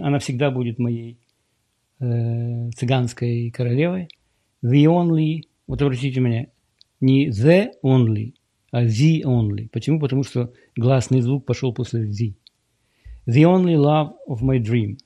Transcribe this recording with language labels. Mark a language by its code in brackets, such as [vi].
[ru] Она всегда будет моей цыганской королевой. [en] The only... [ru] Вот обратите меня. Не the only, а the only. Почему? Потому что гласный звук пошел после the. [en] The only love of my dream.